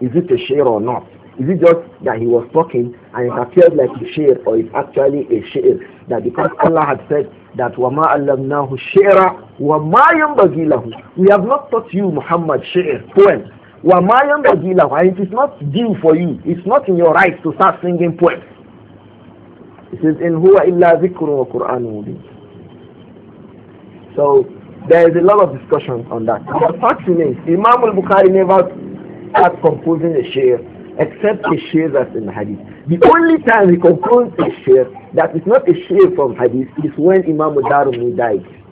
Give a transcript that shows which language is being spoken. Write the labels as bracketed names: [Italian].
[English] Is it a shi'r or not? Is it just that he was talking and it appeared like a shi'r, or it's actually a shi'r? That because Allah had said that [Arabic] وَمَا أَلَّمْنَاهُ شِعْرًا وَمَا يَنْبَغِي لَهُ. [English] We have not taught you, Muhammad, shi'r, poem. [Arabic] وَمَا يَنْبَغِي لَهُ. [English] And it is not due for you. It's not in your right to start singing poems. It says, [Arabic] إِنْ هُوَ إِلَّا ذِكْرٌ وَقُرْآنٌ مُبِينٌ. [English] So, there is a lot of discussion on that. The fact remains, Imam al-Bukhari never started composing a shi'r except a shi'r that's in the hadith. The only time he composed a shi'r that is not a shi'r from hadith is when Imam al-Darimi died.